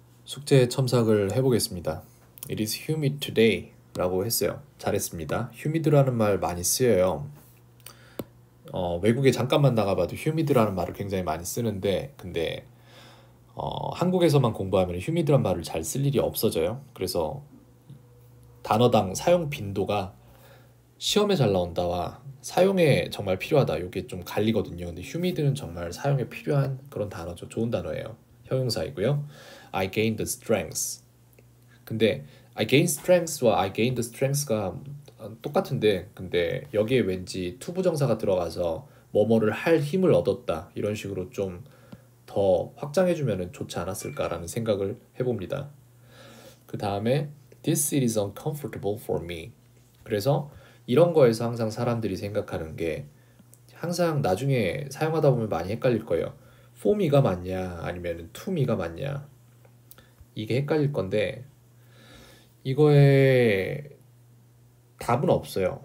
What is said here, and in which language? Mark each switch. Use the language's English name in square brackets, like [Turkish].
[Korean] 숙제 첨삭을 해보겠습니다. [English] It is humid today [Korean] 라고 했어요. 잘했습니다. humid라는 말 많이 쓰여요. 외국에 잠깐만 나가봐도 humid라는 말을 굉장히 많이 쓰는데, 근데 한국에서만 공부하면 humid라는 말을 잘쓸 일이 없어져요. 그래서 단어당 사용 빈도가 시험에 잘 나온다와 사용에 정말 필요하다, 이게 좀 갈리거든요. 근데 humid는 정말 사용에 필요한 그런 단어죠. 좋은 단어예요. 형용사이고요. [English] I gained the strength. [Korean] 근데 [English] I gained strength [Korean] 와 [English] I gained the strength [Korean] 가 똑같은데, 근데 여기에 왠지 투부정사가 들어가서 뭐뭐를 할 힘을 얻었다, 이런 식으로 좀더 확장해주면 좋지 않았을까라는 생각을 해봅니다. 그 다음에 [English] This is uncomfortable for me. [Korean] 그래서 이런 거에서 항상 사람들이 생각하는 게, 항상 나중에 사용하다 보면 많이 헷갈릴 거예요. For me가 맞냐 아니면 to me가 맞냐, 이게 헷갈릴 건데, 이거에 답은 없어요.